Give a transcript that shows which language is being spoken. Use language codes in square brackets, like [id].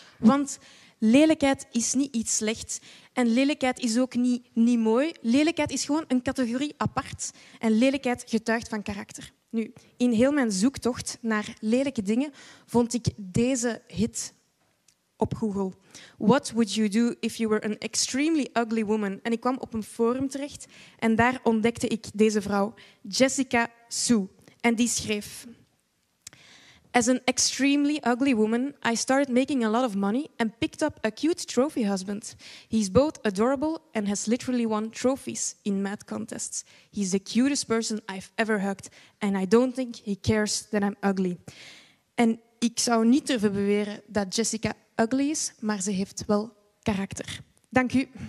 [nl] Want lelijkheid is niet iets slechts. En lelijkheid is ook niet mooi. Lelijkheid is gewoon een categorie apart. En lelijkheid getuigt van karakter. Nu, in heel mijn zoektocht naar lelijke dingen vond ik deze hit op Google. [en] What would you do if you were an extremely ugly woman? [nl] En ik kwam op een forum terecht en daar ontdekte ik deze vrouw, Jessica Sue. En die schreef: [en] As an extremely ugly woman, I started making a lot of money and picked up a cute trophy husband. He's both adorable and has literally won trophies in mad contests. He's the cutest person I've ever hugged and I don't think he cares that I'm ugly. [nl] En ik zou niet durven beweren dat Jessica ugly is, maar ze heeft wel karakter. Dank u.